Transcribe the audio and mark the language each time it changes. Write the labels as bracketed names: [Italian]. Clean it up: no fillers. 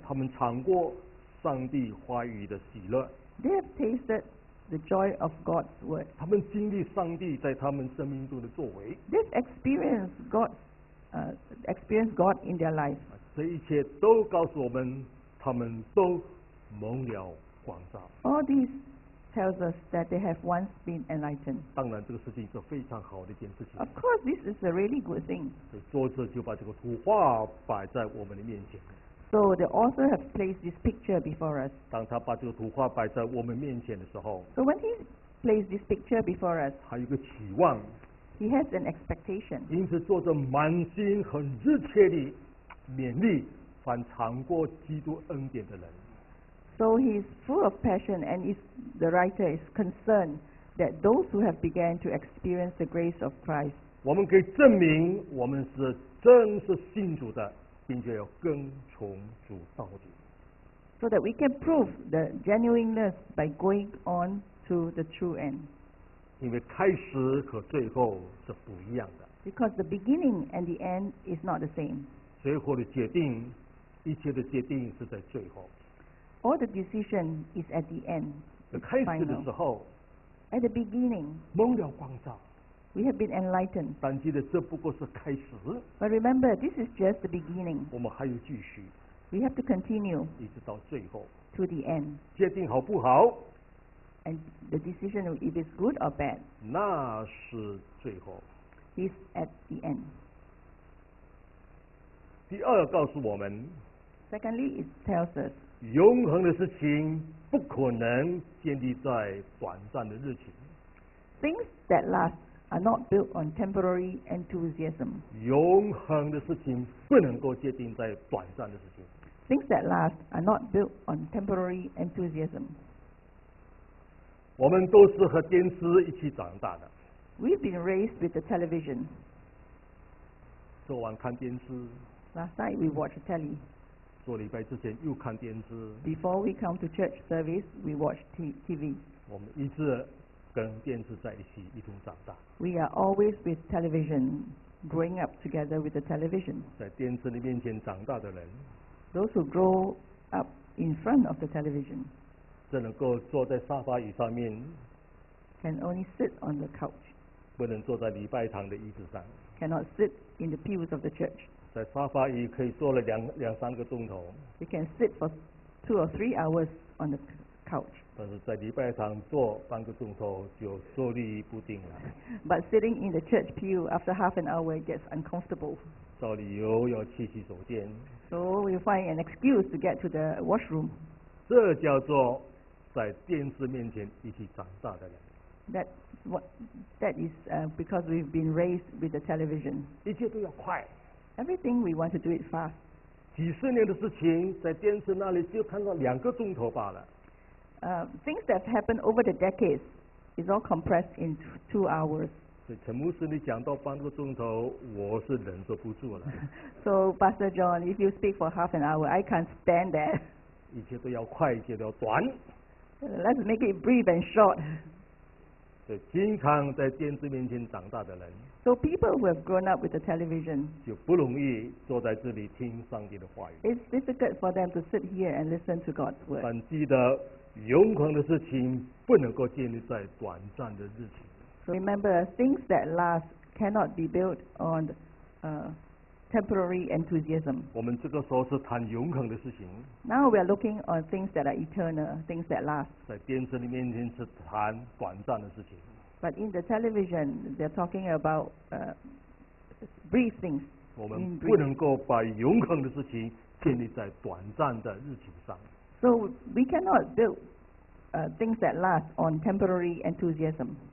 [Chinese] 他们尝过上帝话语的喜乐。 [English] They have tasted the joy of God's word. [Chinese] 他们经历上帝在他们生命中的作为。 [English] They've experienced God in their life. [Chinese] 这一切都告诉我们，他们都蒙了光照。 [English] All these. Tells us that they have once been enlightened. [Chinese] 当然，这个事情是非常好的一件事情。 [English] Of course, this is a really good thing. [Chinese] 作者就把这个图画摆在我们的面前。 [English] So the author has placed this picture before us. [Chinese] 当他把这个图画摆在我们面前的时候 [English] ，So when he placed this picture before us, [Chinese] 还有个期望。 [English] He has an expectation. [Chinese] 因此，作者满心很热切地勉励凡尝过基督恩典的人。 [English] So he is full of passion and is, the writer is concerned that those who have begun to experience the grace of Christ. [Chinese] 我们可以证明我们是真是信主的，并且要跟从主到底。 [English] So that we can prove the genuineness by going on to the true end. [Chinese] 因为开始和最后是不一样的。 [English] Because the beginning and the end is not the same. [Chinese] 最后的决定，一切的决定是在最后。 [English] All the decision is at the end. [Chinese] 开始的时候 [English] at the beginning, [Chinese] 蒙了光照 [English] We have been enlightened. [Chinese] 但记得这不过是开始。 [English] But remember, this is just the beginning. [Chinese] 我们还有继续。 [English] We have to continue. [Chinese] 一直到最后。 [English] To the end. [Chinese] 决定好不好？ [English] And the decision if it is good or bad. [Chinese] 那是最后。 [English] Is at the end. [Chinese] 第二告诉我们。 [English] Secondly, it tells us. [Chinese] 永恒的事情不可能建立在短暂的热情。 [English] Things that last are not built on temporary enthusiasm. [Chinese] 永恒的事情不能够决定在短暂的事情。 [English] Things that last are not built on temporary enthusiasm. [Chinese] 我们都是和电视一起长大的。 [English] We've been raised with the television. [Chinese] 昨晚看电视。 [English] Last night we watched telly. [Chinese] 做礼拜之前又看电视。 [English] Before we come to church service, we watched TV. [Chinese] 我们一直跟电视在一起一同长大。 [English] We are always with television, growing up together with the television. [Chinese] 在电视的面前长大的人。 [English] Those who grow up in front of the television. [Chinese] 只能够坐在沙发椅上面。 [English] Can only sit on the couch. [Chinese] 不能坐在礼拜堂的椅子上。 [English] Cannot sit in the pews of the church. [Chinese] 在沙发椅可以坐了两三个钟头。 [English] You can sit for two or three hours on the couch. [Chinese] 但是在礼拜堂坐半个钟头就坐立不定了。 [English] But sitting in the church pew after half an hour gets uncomfortable. [Chinese] 找理由要去洗手间。 [English] So we find an excuse to get to the washroom. [Chinese] 这叫做在电视面前一起长大的人。 [English] That is because we've been raised with the television. [Chinese] 一切都要快。 [English] Everything we want to do it fast. [Chinese] 几十年的事情在电视那里就看到两个钟头罢了。 [English] Things that have happened over the decades is all compressed in two hours. [Chinese] 所以陈牧师，你讲到半个钟头，我是忍受不住了。 [English] So Pastor John, if you speak for half an hour, I can't stand that. [Chinese] 一切都要快，一切都要短。 [English] Let's make it brief and short. [Chinese] 所以经常在电视面前长大的人。 [English] So people who have grown up with the television. [Chinese] 就不容易坐在这里听上帝的话语。 [English] It's difficult for them to sit here and listen to God's word. [Chinese] 但记得。永恒的事情不能够建立在短暂的日子。 [English] So remember, things that last cannot be built on temporary enthusiasm. [Chinese] 我们这个时候是谈永恒的事情。 [English] Now we are looking on things that are eternal, things that last. [Chinese] 在电视里面前是谈短暂的事情。 [English] But in the television, they're talking about brief things. [Chinese] 我们不能够把永恒的事情建立在短暂的日子上。 [English] So we cannot build things that last on temporary enthusiasm.